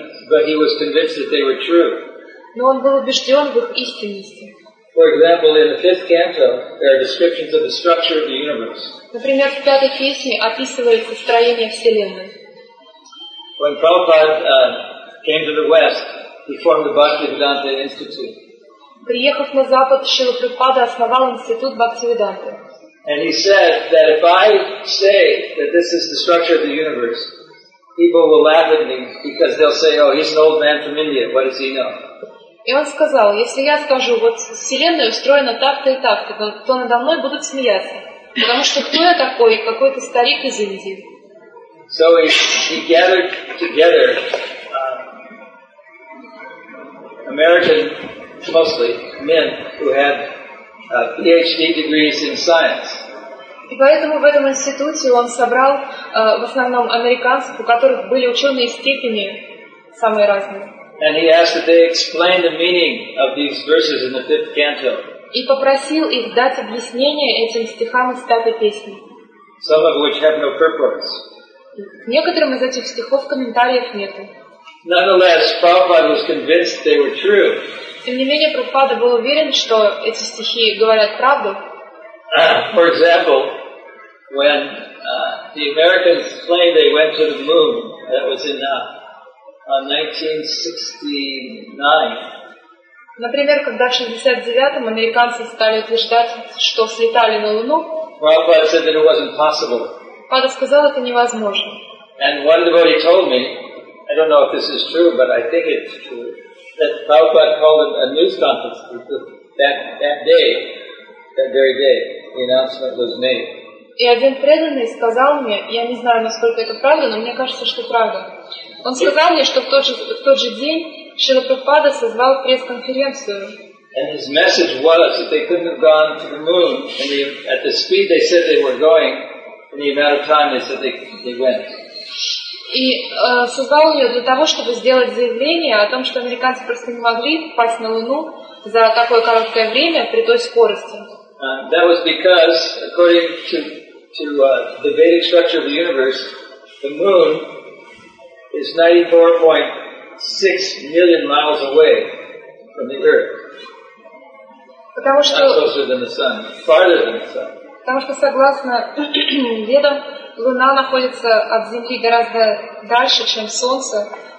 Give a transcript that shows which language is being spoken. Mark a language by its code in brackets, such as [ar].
[en] But he was convinced that they were true. [ru] Но он был убежден в их истинности. [en] For example, in the fifth canto, there are descriptions of the structure of the universe. [ru] Например, в пятой песне описывается строение вселенной. [en] When Prabhupada came to the West, he formed the Bhaktivedanta Institute. [ru] Приехав на Запад, Шрила Прабхупада основал институт Бхактивиданты. [en] And he said that if I say that this is the structure of the universe, people will laugh at me because they'll say, "Oh, he's an old man from India. What does he know?" [ru] И он сказал, если я скажу, вот вселенная устроена так-то и так-то, то надо мной будут смеяться, потому что кто я такой, какой-то старик из Индии. [en] So he gathered together American, mostly men who had PhD degrees in science. [ru] И поэтому в этом институте он собрал в основном американцев, у которых были ученые степени самые разные. [en] And he asked that they explain the meaning of these verses in the fifth canto. [ru] И попросил их дать объяснение этим стихам из пятой песни. [en] Some of which have no purports. [ru] Некоторым из этих стихов комментариев нету. [en] Nonetheless, Prabhupada was convinced they were true. [ru] Тем не менее, Прабхупада был уверен, что эти стихи говорят правду. [en] For example, when the Americans claimed they went to the moon, that was in 1969. [ru] Например, когда в 69-м американцы стали утверждать, что слетали на Луну, [en] Prabhupada said that it wasn't possible. [ru] Прабхупада сказал, это невозможно. [en] And one devotee told me, I don't know if this is true, but I think it's true, that Prabhupada called a news conference that day, that very day, the announcement was made. [ru] И один преданный сказал мне, я не знаю, насколько это правда, но мне кажется, что правда. Он сказал мне, что в тот же день Шрила Прабхупада созвал пресс-конференцию. [en] And his message was that they couldn't have gone to the moon at the speed they said they were going, in the amount of time they said they went. [ru] И создал ее для того, чтобы сделать заявление о том, что американцы просто не могли попасть на Луну за такое короткое время при той скорости. [en] That was because, according to the Vedic structure of the universe, the moon is 94.6 million miles away from the Earth. [ru] Потому что, потому что согласно ведам, Луна находится от Земли гораздо дальше, чем Солнце.